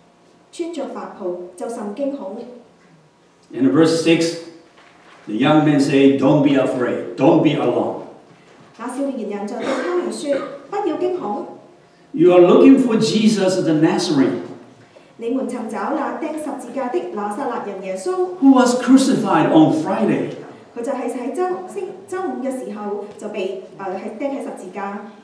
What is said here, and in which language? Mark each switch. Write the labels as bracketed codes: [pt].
[zh] 当他们进入坟墓，看见一个少年人坐在右边，穿着白袍，就甚惊恐。 [en] In verse 6, the young man say, "Don't be afraid. Don't be alarmed." [zh] 那少年人就对他们说，不要惊恐。 [en] You are looking for Jesus the Nazarene. [zh] 你们寻找那钉十字架的拿撒勒人耶稣， [en] who was crucified on Friday. [zh] 他就是在周五的时候就被钉在十字架。